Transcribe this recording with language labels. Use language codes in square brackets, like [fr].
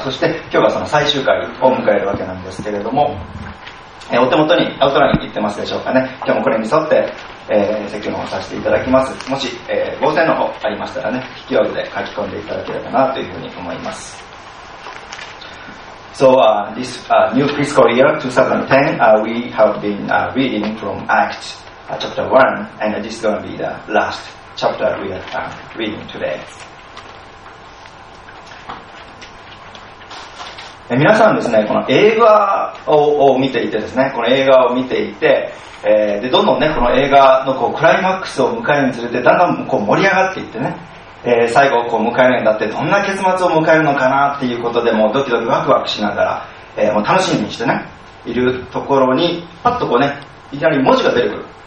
[ja] そして今日はその最終回を迎えるわけなんですけれども、お手元にアウトライン言ってますでしょうかね。今日もこれに沿って、説教をさせていただきます。もし、合成の方ありましたらね、筆記用具で書き込んでいただければなというふうに思います。 [en] So, this new fiscal year 2010, we have been reading from Acts chapter 1, and this is going to be the last chapter we are reading today. [ja] 皆さんですね、この映画 を見ていてですね、この映画を見ていて、でどんどんね、この映画のこうクライマックスを迎えるにつれて、だんだんこう盛り上がっていってね、最後こう迎えるんだって、どんな結末を迎えるのかなっていうことでもうドキドキワクワクしながら、もう楽しみにしてねいるところに、パッとこうね、いきなり文字が出てくる。